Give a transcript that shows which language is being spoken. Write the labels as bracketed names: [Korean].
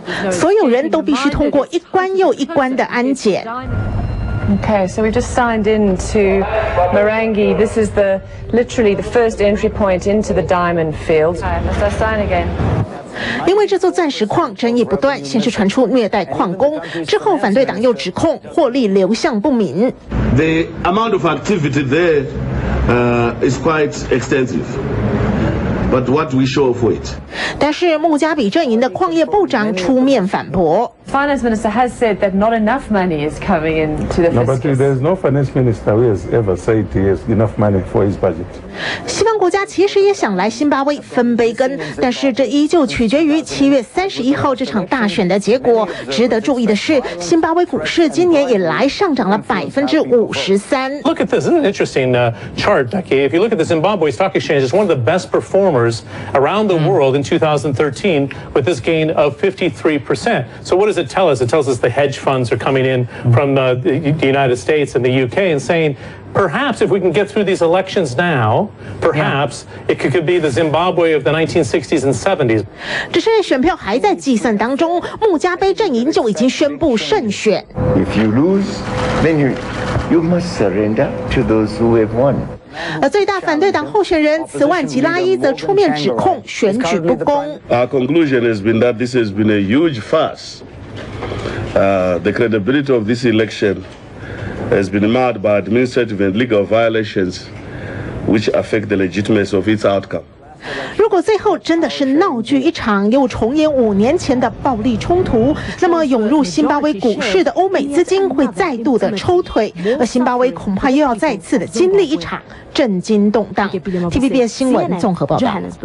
[Chinese] 所有人都必须通过一关又一关的安检。 [English] Okay, so we just signed in to Marangi. This is the literally the first entry point into the diamond field. Must I sign again? [Chinese] 因为这座钻石矿争议不断，先是传出虐待矿工，之后反对党又指控获利流向不明。 [English] The amount of activity there, is quite extensive, but what we show for it. [Chinese] 但是穆加比阵营的矿业部长出面反驳。 [English] Finance minister has said that not enough money is coming into the. No, but there is no finance minister who has ever said he has enough money for his budget. [Chinese] 西方国家其实也想来辛巴威分杯羹，但是这依旧取决于7月31号这场大选的结果。值得注意的是，辛巴威股市今年以来上涨了53%。 [English] Look at this, isn't it an interesting chart, Becky? If you look at the Zimbabwe Stock Exchange, it's one of the best performers around the world in 2013 with this gain of 53%. So what does it tell us? It tells us the hedge funds are coming in from the United States and the UK and saying. Perhaps if we can get through these elections now, perhaps it could be the Zimbabwe of the 1960s and 70s. [Chinese] 只是选票还在计算当中，穆加贝阵营就已经宣布胜选。 [English] If you lose, then you must surrender to those who have won. [Chinese] 而最大反对党候选人茨万吉拉伊则出面指控选举不公。 [English] Our conclusion has been that this has been a huge farce. The credibility of this election. Has been marred by administrative and legal violations, which affect the legitimacy of its outcome. [Chinese] 如果最后真的是闹剧一场，又重演5年前的暴力冲突，那么涌入辛巴威股市的欧美资金会再度的抽退，而辛巴威恐怕又要再次的经历一场震惊动荡。 TVBS 新闻综合报道。